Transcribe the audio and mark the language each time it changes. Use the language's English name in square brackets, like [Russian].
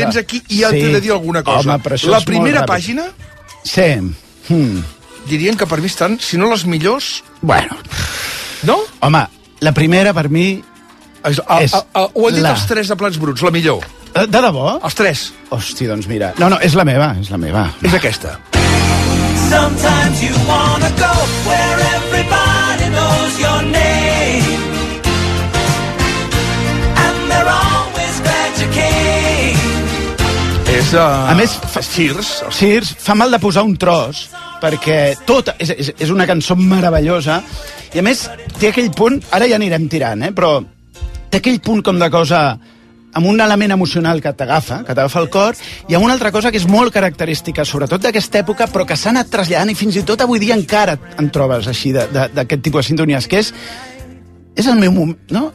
[Catalan] Tens aquí i ja sí. T'he de dir alguna cosa. Home, però això la primera pàgina... Sí. Dirien que per mi estan, si no les millors... Bueno. No? Home, la primera per mi... Ho han dit els tres de Plans Bruts, la millor. De debò? Els tres. Hòstia, doncs mira. No, no, és la meva, és la meva. És aquesta. [English] Sometimes you wanna go where everybody knows your name. And they're always glad you came. [Catalan] És, a més, fa, Cheers. Cheers fa mal de posar un tros, perquè tot és una cançó meravellosa. I a més, té aquell punt... Ara ja anirem tirant, però... Té aquell punt com de cosa amb un element emocional que t'agafa el cor, i amb una altra cosa que és molt característica, sobretot d'aquesta època, però que s'ha anat traslladant, i fins i tot avui dia encara en trobes així, d'aquest tipus de sintonies, que és el meu moment, no?